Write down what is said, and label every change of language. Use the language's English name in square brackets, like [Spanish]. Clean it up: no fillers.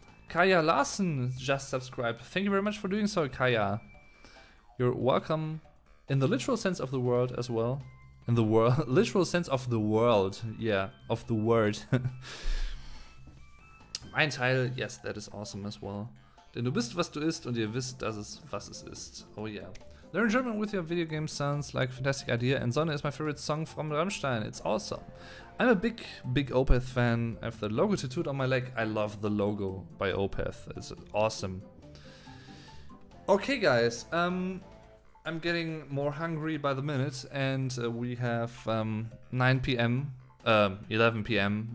[English] Kaya Larsen just subscribed. Thank you very much for doing so, Kaya. You're welcome in the literal sense of the word as well. In the world, literal sense of the world, yeah, of the word. Mein Teil, yes, that is awesome as well. [German] Denn du bist, was du isst, und ihr wisst, dass es, was es ist. [English] Oh yeah. Learn German with your video game sounds like fantastic idea, and Sonne is my favorite song from Rammstein. It's awesome. I'm a big, big Opeth fan. I have the logo tattooed on my leg. I love the logo by Opeth. It's awesome. Okay, guys, I'm getting more hungry by the minute, and we have 11 p.m.